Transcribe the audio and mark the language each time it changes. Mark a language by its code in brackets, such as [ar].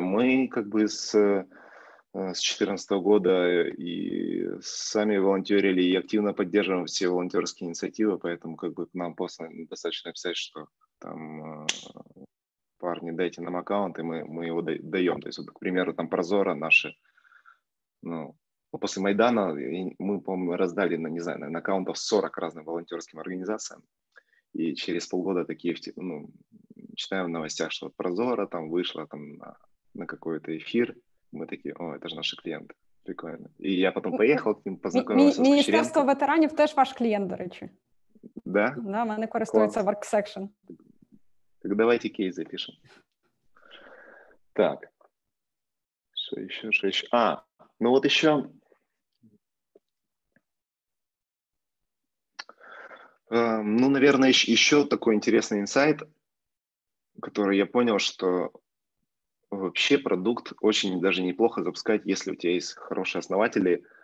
[uk] Ми, [ru] как бы, [uk] з 2014 года і самі волонтерили, і активно підтримуємо всі волонтерські ініціативи, [ru] поэтому, как бы, [uk] нам просто достаточно писати, що там, парни, дайте нам аккаунт, і ми його даємо. [ru] То есть, вот, к примеру, там Прозора наші, ну, после Майдана мы, по-моему, раздали, не знаю, наверное, аккаунтов 40 разным волонтерским организациям. И через полгода такие, ну, читаем в новостях, что Прозора там вышла там на какой-то эфир. Мы такие, о, это же наши клиенты. Прикольно. [uk] І я потім поїхав [ru] к ним, [uk] познайомився з Кучеренком. Міністерство ветеранів теж ваш клієнт, до речі. [ru] Да? [uk] Да, мене користується WorkSection. Так давайте кейс запишемо. Так. Що ще, що ще? А, ну от ще. [ru] Ну, наверное, еще такой интересный инсайт, который я понял, что вообще продукт очень даже неплохо запускать, если у тебя есть хорошие основатели.